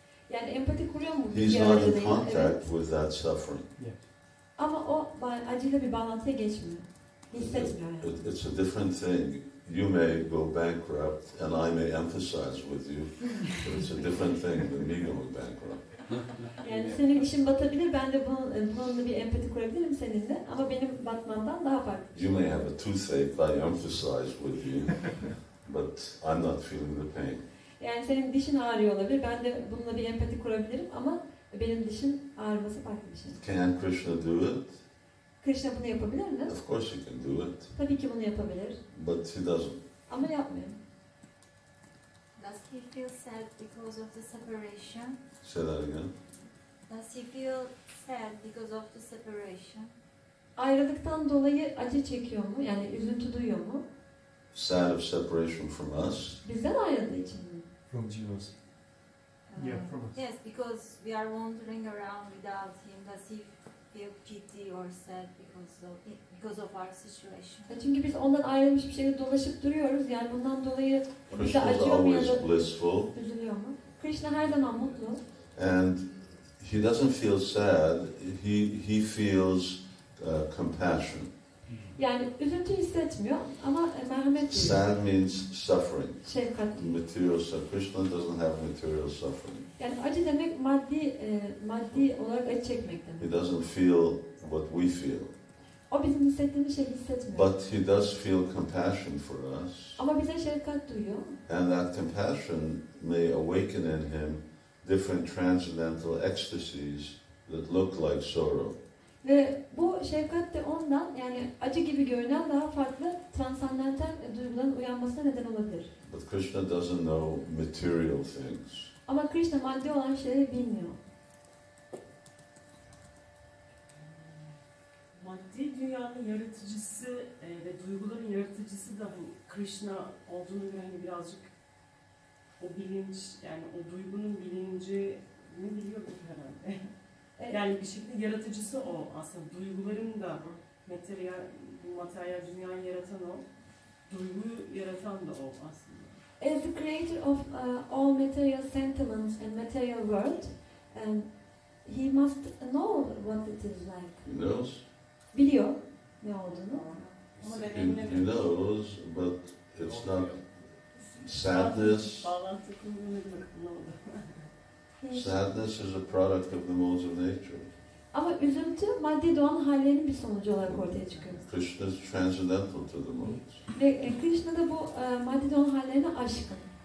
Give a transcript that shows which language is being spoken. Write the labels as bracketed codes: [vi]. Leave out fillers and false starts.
[tr] Yani empati kuruyor mu? [en] He's not in contact with that suffering. Yeah. [tr] Ama o acıyla bir bağlantıya geçmiyor. Hissetmiyor. [en] It's a different thing. You may go bankrupt and I may empathize with you, but it's a different thing than me going bankrupt. [tr] Yani senin işin batabilir, ben de bununla bir empati kurabilirim seninle, ama benim batmandan daha farklı. [en] You may have a toothache, I empathize with you, but I'm not feeling the pain. [tr] Yani senin dişin ağrıyor olabilir, ben de bununla bir empati kurabilirim, ama benim dişin ağrıması farklı bir şey. [en] Can Krishna do it? [tr] Krishna bunu yapabilir mi? [en] Of course he can do it. [tr] Tabii ki bunu yapabilir. [en] But he doesn't. [tr] Ama yapmıyor. [en] Does he feel sad because of the separation? Say that again. Does he feel sad because of the separation? [tr] Ayrılıktan dolayı acı çekiyor mu? Yani üzüntü duyuyor mu? [en] Sad of separation from us. [tr] Bizden ayrıldığı için mi? [en] From Jesus. Yeah, from us. Yes, because we are wandering around without him. Does he feel pity or sad because of our situation? [tr] Çünkü biz ondan ayrılmış bir şekilde dolaşıp duruyoruz. Yani bundan dolayı bize acıyor mu ya da [en] blissful. [tr] Üzülüyor mu? Krishna her zaman mutlu. [en] And he doesn't feel sad. He feels compassion. [tr] Yani üzüntü hissetmiyor, ama merhamet. [en] Sad means suffering. [tr] Şefkat. [en] Material suffering. Krishna doesn't have material suffering. [tr] Yani acı demek maddi olarak acı çekmek demek. [en] He doesn't feel what we feel. [tr] O bizim hissettiğimiz şey hissetmiyor. [en] But he does feel compassion for us. [tr] Ama bize şefkat duyuyor. [en] And that compassion may awaken in him different transcendental ecstasies that look like sorrow. [tr] Ve bu şefkat de ondan, yani acı gibi görünen daha farklı transcendental duyguların uyanmasına neden olabilir. [en] But Krishna doesn't know material things. [tr] Ama Krishna maddi olan şeyleri bilmiyor. Maddi dünyanın yaratıcısı ve duyguların yaratıcısı da bu Krishna olduğunu göre, hani birazcık o bilinç, yani o duygunun bilincini biliyorduk herhalde. Yani bir şekilde yaratıcısı o aslında. Duyguların da bu materyal dünyayı yaratan o. Duyguyu yaratan da o aslında. [en] As the creator of all material sentiments and material world, he must know what it is like. He knows. [tr] Biliyor ne olduğunu. [en] He knows, but it's not sadness. [tr] Bağlantı kurmuyor ne oldu? [en] Sadness is a product of the modes of nature. [tr] Ama üzüntü maddi doğanın hallerinin bir sonucu olarak ortaya çıkıyor. [en] Krishna is transcendental to the modes. [tr] Ve Krishna da bu maddi doğanın hallerine aşkın.